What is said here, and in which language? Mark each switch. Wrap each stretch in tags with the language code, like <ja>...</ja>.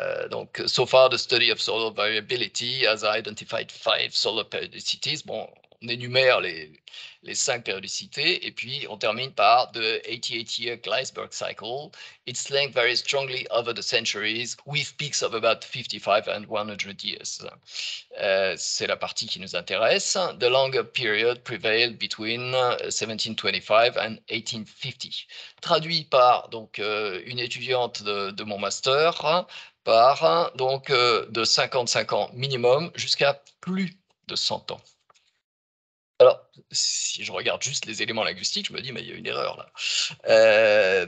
<en>Donc, so far the study of solar variability has identified 5 solar periodicities.</en> <fr>Bon, on énumère les 5 périodicités et puis on termine par</fr> <en>the 88-year Gliesberg cycle. Its length varies strongly over the centuries, with peaks of about 55 and 100 years.</en> <fr>C'est la partie qui nous intéresse.</fr> <en>The longer period prevailed between 1725 and 1850.</en> <fr>Traduit par donc une étudiante de mon master, par donc de 55 ans minimum jusqu'à plus de 100 ans. Alors, si je regarde juste les éléments linguistiques, je me dis, mais il y a une erreur là.</fr>